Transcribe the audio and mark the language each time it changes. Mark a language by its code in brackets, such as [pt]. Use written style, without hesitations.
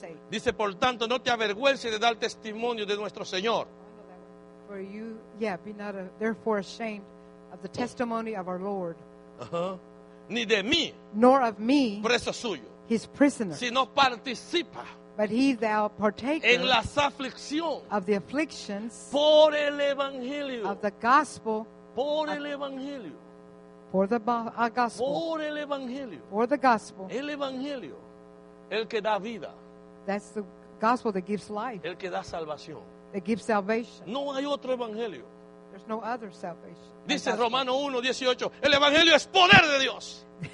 [es] Dice, por tanto, no te avergüences de dar testimonio de nuestro Señor. [en] For you, yeah, be not therefore ashamed of the testimony of our Lord. [es] Ni de mí. [en] Nor of me. [es] Preso suyo. [en] His prisoner. [es] Si no participa. [en] But he thou partakest of the afflictions [es] por el evangelio, [en] of the gospel [es] por el evangelio, [en] for the gospel [es] por el evangelio, [en] for the gospel [es] el evangelio, el que da vida, [en] that's the gospel that gives life [es] el que da salvación, [en] that gives salvation [es] no hay otro evangelio. [en] There's no other salvation [es] dice Romano 1:18 el evangelio es poder de Dios.